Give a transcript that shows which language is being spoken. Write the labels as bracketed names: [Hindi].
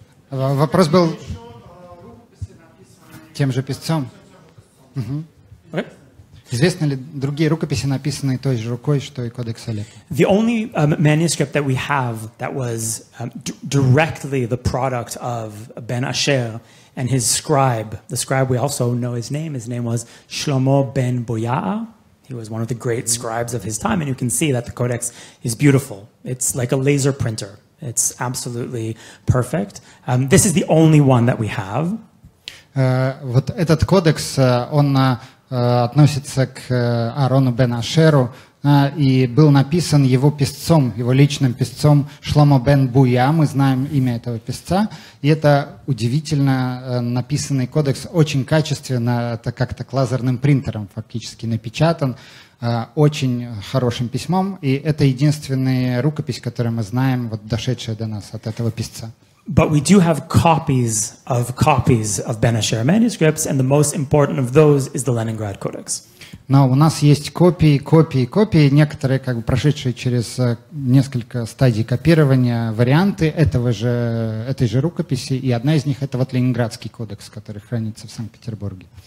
[Russian] Вопрос был тем же писцом. Известны ли другие рукописи, написанные той же рукой, что и Кодекс Алеппо? [English] The only manuscript that we have that was directly the product of Ben Asher and his scribe. The scribe, we also know his name. His name was Shlomo Ben Boya'a. He was one of the great scribes of his time, and you can see that the codex is beautiful. It's like a laser printer. It's absolutely perfect. This is the only one that we have. [Russian] Вот этот кодекс, он относится к Арону Бен Ашеру, и был написан его писцом, его личным писцом Шломо Бен Буя. Мы знаем имя этого писца, и это удивительно написанный кодекс, очень качественно, это как-то лазерным принтером фактически напечатан, очень хорошим письмом, и это единственная рукопись, которую мы знаем, вот дошедшая до нас от этого писца. [English] But we do have copies of Ben Asher manuscripts, and the most important of those is the Leningrad Codex. [Russian] Но у нас есть копии, некоторые как бы прошедшие через несколько стадий копирования, варианты этой же рукописи, и одна из них это вот Ленинградский кодекс, который хранится в Санкт-Петербурге.